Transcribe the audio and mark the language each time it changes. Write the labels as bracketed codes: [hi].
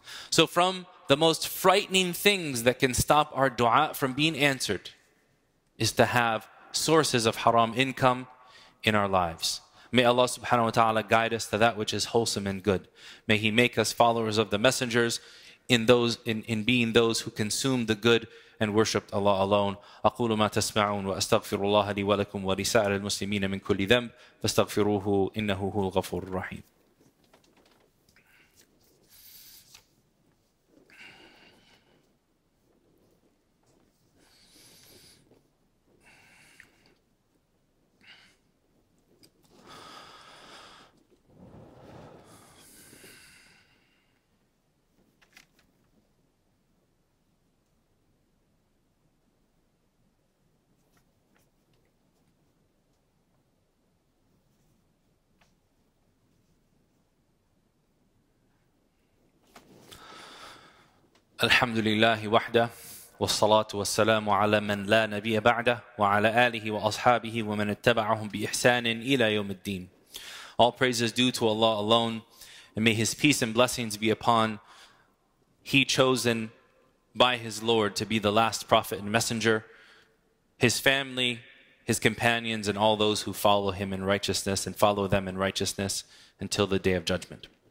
[en] So from the most frightening things that can stop our dua from being answered is to have sources of haram income in our lives. May Allah subhanahu wa ta'ala guide us to that which is wholesome and good. May He make us followers of the messengers in being those who consume the good and worshiped Allah alone. [ar] أقول ما تسمعون وأستغفر الله لي ولكم ولسائر المسلمين من كل ذنب فاستغفروه إنه هو الغفور الرحيم. Alhamdulillahi wahda والصلاة والسلام على من لا نبي بعده وعلى آله وأصحابه ومن اتبعهم بإحسان إلى يوم الدين. [en] All praises due to Allah alone, and may His peace and blessings be upon He chosen by His Lord to be the last prophet and messenger, His family, His companions, and all those who follow Him in righteousness and follow them in righteousness until the day of judgment.